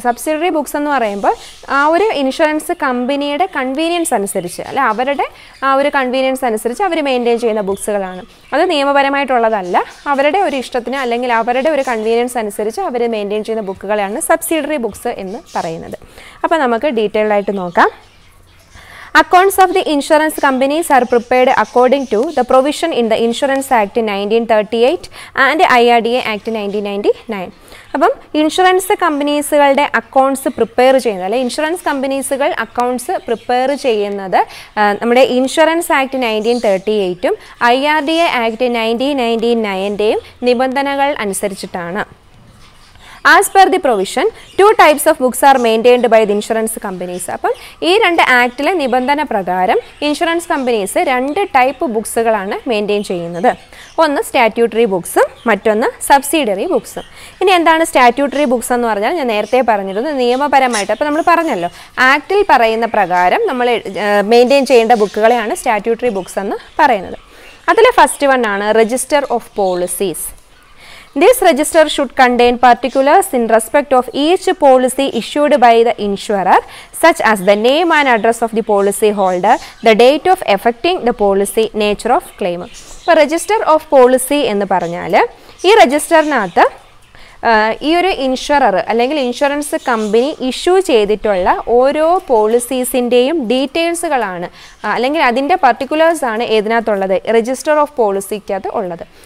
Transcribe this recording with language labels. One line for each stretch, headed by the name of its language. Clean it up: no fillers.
Malayalam: Subsidiary books എന്ന് പറയുമ്പോൾ ആ ഒരു ഇൻഷുറൻസ് കമ്പനിയുടെ കൺവീനിയൻസ് അനുസരിച്ച്, അല്ലെ, അവരുടെ ആ ഒരു കൺവീനിയൻസ് അനുസരിച്ച് അവർ മെയിൻറ്റെയിൻ ചെയ്യുന്ന ബുക്സുകളാണ്. അത് നിയമപരമായിട്ടുള്ളതല്ല, അവരുടെ ഒരു ഇഷ്ടത്തിന് അല്ലെങ്കിൽ അവരുടെ ഒരു കൺവീനിയൻസ് അനുസരിച്ച് അവർ മെയിൻറ്റെയിൻ ചെയ്യുന്ന ബുക്കുകളാണ് സബ്സിഡിയറി ബുക്സ് എന്ന് പറയുന്നത്. അപ്പോൾ നമുക്ക് ഡീറ്റെയിൽഡായിട്ട് നോക്കാം.
English: Accounts of the insurance companies are prepared according to the provision in the Insurance Act 1938 and IRDA Act 1999.
Malayalam: അപ്പം ഇൻഷുറൻസ് കമ്പനീസുകളുടെ അക്കൗണ്ട്സ് പ്രിപ്പയർ ചെയ്യുന്നത്, അല്ലെ, ഇൻഷുറൻസ് കമ്പനീസുകൾ അക്കൗണ്ട്സ് പ്രിപ്പയർ ചെയ്യുന്നത് നമ്മുടെ ഇൻഷുറൻസ് ആക്ട് 1938 IRDA ആക്ട് 1999 നിബന്ധനകൾ അനുസരിച്ചിട്ടാണ്.
English: As per the provision two types of books are maintained by the insurance companies.
Malayalam: അപ്പം ഈ രണ്ട് ആക്ടിലെ നിബന്ധന പ്രകാരം ഇൻഷുറൻസ് കമ്പനീസ് രണ്ട് ടൈപ്പ് ബുക്സുകളാണ് മെയിൻറ്റെയിൻ ചെയ്യുന്നത്. ഒന്ന് സ്റ്റാറ്റ്യൂട്ടറി ബുക്സും മറ്റൊന്ന് സബ്സിഡിയറി ബുക്സും. ഇനി എന്താണ് സ്റ്റാറ്റ്യൂട്ടറി ബുക്സ് എന്ന് പറഞ്ഞാൽ, ഞാൻ നേരത്തെ പറഞ്ഞിരുന്നു നിയമപരമായിട്ട്. അപ്പോൾ നമ്മൾ പറഞ്ഞല്ലോ ആക്ടിൽ പറയുന്ന പ്രകാരം നമ്മൾ മെയിൻറ്റെയിൻ ചെയ്യേണ്ട ബുക്കുകളെയാണ് സ്റ്റാറ്റ്യൂട്ടറി ബുക്സ് എന്ന് പറയുന്നത്. അതിലെ ഫസ്റ്റ് വൺ ആണ് register of policies.
English: This register should contain particulars in respect of each policy issued by the insurer, such as the name and address of the policy holder, the date of effecting the policy, nature of claim. For register of policy
Malayalam: ennu paranjale ee registerinathu ഈ ഒരു insurer അല്ലെങ്കിൽ insurance company issue ചെയ്തിട്ടുള്ള ഓരോ പോളിസീസിൻ്റെയും ഡീറ്റെയിൽസുകളാണ് അല്ലെങ്കിൽ അതിൻ്റെ പർട്ടിക്കുലേഴ്സാണ് ഏതിനകത്തുള്ളത്, register of പോളിസിക്കകത്ത് ഉള്ളത്.